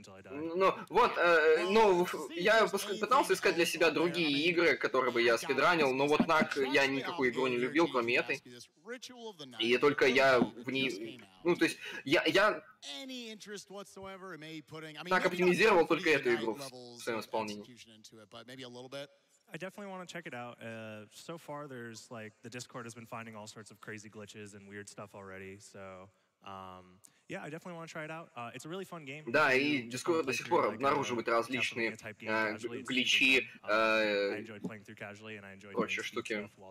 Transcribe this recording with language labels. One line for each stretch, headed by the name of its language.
Russian: Ну, вот, ну, я пытался искать для себя другие игры, которые бы я спидранил, но вот так я никакую игру не любил, кроме этой. И только я в ней... Ну, то есть, я так оптимизировал только эту игру в своем исполнении.
English: I definitely want to check it out. So far, there's, like, the Discord has been finding all sorts of crazy glitches and weird stuff already, so... yeah, I definitely want to try it out. It's a really fun game.
Russian: Да, и Discord до сих пор обнаруживает различные гличи, прочие штуки.